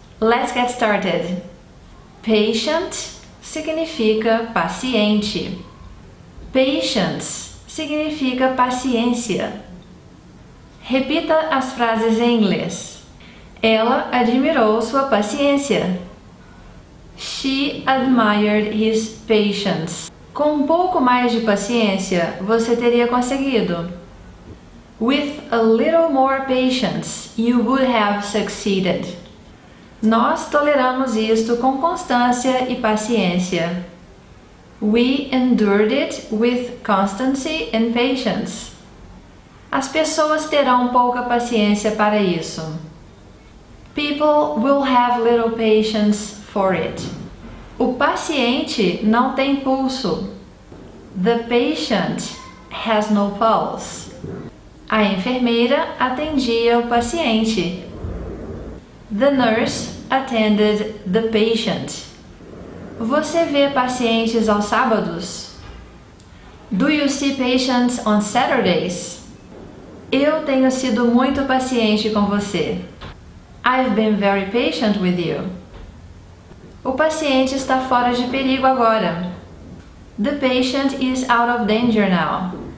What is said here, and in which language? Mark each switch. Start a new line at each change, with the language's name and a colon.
English: Let's get started!
Portuguese: Patient significa paciente. Patience significa paciência. Repita as frases em inglês. Ela admirou sua paciência.
English: She admired his patience.
Portuguese: Com um pouco mais de paciência, você teria conseguido.
English: With a little more patience, you would have succeeded.
Portuguese: Nós toleramos isto com constância e paciência.
English: We endured it with constancy and patience.
Portuguese: As pessoas terão pouca paciência para isso.
English: People will have little patience for it.
Portuguese: O paciente não tem pulso.
English: The patient has no pulse.
Portuguese: A enfermeira atendia o paciente.
English: The nurse attended the patient.
Portuguese: Você vê pacientes aos sábados?
English: Do you see patients on Saturdays?
Portuguese: Eu tenho sido muito paciente com você.
English: I've been very patient with you.
Portuguese: O paciente está fora de perigo agora.
English: The patient is out of danger now.